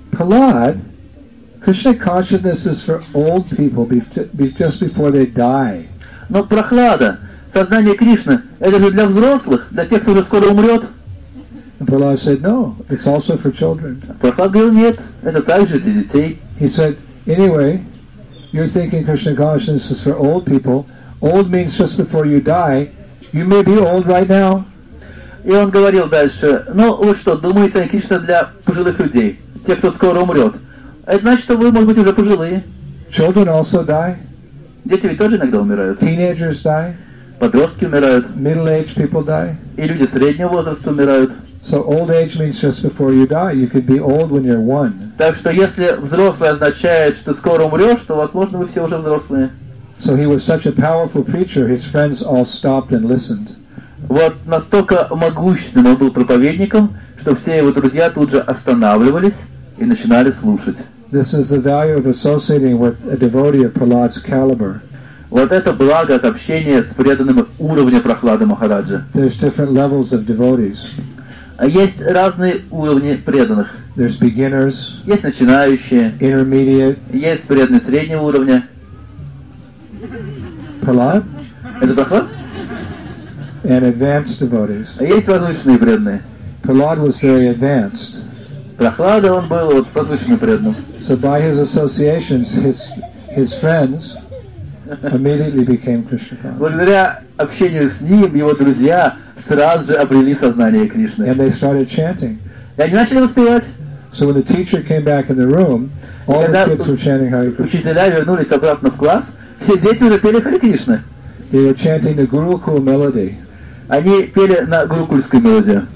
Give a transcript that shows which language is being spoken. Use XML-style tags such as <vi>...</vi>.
<en>Prahlad, Krishna consciousness is for old people just before they die.</en> <ru>Но Прохлада, сознание Кришны, это же для взрослых, для тех, кто уже скоро умрет.</ru> <en>And Prahlad said, no, it's also for children.</en> <ru>Прохлад говорил, нет, это также для детей.</ru> <en>He said, anyway, you're thinking Krishna consciousness is for old people. Old means just before you die. You may be old right now.</en> <ru>И он говорил дальше, ну вы что, думаете, Кришна для пожилых людей, тех, кто скоро умрет. Это значит, что вы, может быть, уже пожилые.</ru> <en>Children also die.</en> <ru>Дети ведь тоже иногда умирают.</ru> <en>Teenagers die.</en> <ru>Подростки умирают.</ru> <en>Middle-aged people die.</en> <ru>И люди среднего возраста умирают.</ru> <en>So old age means just before you die. You could be old when you're one.</en> <ru>Так что если взрослый означает, что скоро умрешь, то, возможно, вы все уже взрослые.</ru> <en>So he was such a powerful preacher, his friends all stopped and listened.</en> <ru>Вот настолько могущественным он был проповедником, что все его друзья тут же останавливались и начинали слушать.</ru> <en>This is the value of associating with a devotee of Prahlad's caliber.</en> <ru>Вот это благо от общения с преданным уровнем Прохлады Махараджа.</ru> <en>There's different levels of devotees.</en> <ru>Есть разные уровни преданных.</ru> <en>There's beginners.</en> <ru>Есть начинающие.</ru> <en>Intermediate.</en> <ru>Есть преданные среднего уровня.</ru> <en>Prahlad?</en> <ru>Это Прохлад?</ru> <en>And advanced devotees.</en> <ru>А есть возвышенные преданные.</ru> <en>Prahlad was very advanced.</en> <ru>Прохлада, он был вот возвышенным преданным.</ru> <en>So by his associations, his friends immediately became Krishna conscious.</en> <ru>Благодаря общению с ним, его друзья сразу же обрели сознание Кришны.</ru> <en>And they started chanting.</en> <ru>И они начали воспевать.</ru> <en>So when the teacher came back in the room, all the kids were chanting Hare Krishna.</en> <ru>Учителя вернулись обратно в класс, все дети уже пели Hare Krishna.</ru> <en>They were chanting the Gurukul melody.</en> <ru>Они пели на Гурукульскую мелодию.</ru>